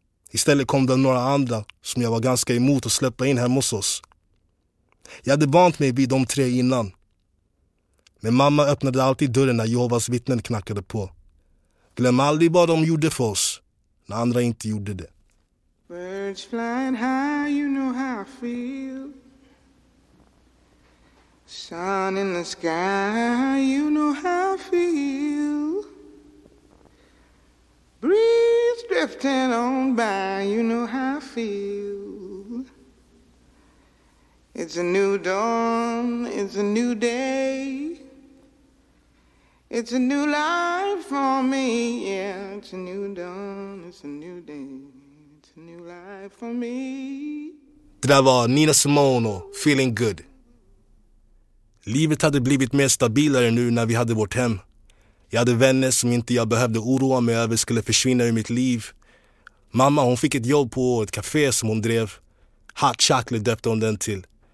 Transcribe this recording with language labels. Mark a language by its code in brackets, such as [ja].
[sv] Istället kom det några andra som jag var ganska emot att släppa in hemma hos oss. Jag hade vant mig vid de tre innan. Men mamma öppnade alltid dörren när Jehovas vittnen knackade på. Glöm aldrig vad de gjorde för oss när andra inte gjorde det. [en] Birds flying high, you know how I feel. Sun in the sky, you know how I feel. Breeze drifting on by, you know how I feel. It's a new dawn, it's a new day. It's a new life for me, yeah. It's a new dawn, it's a new day. It's a new life for me. [sv] Det där var Nina Simone och Feeling Good. Livet hade blivit mer stabilare nu när vi hade vårt hem. Jag hade vänner som inte jag behövde oroa mig över skulle försvinna ur mitt liv. Mamma, hon fick ett jobb på ett café som hon drev. Hot Chocolate döpte hon den till.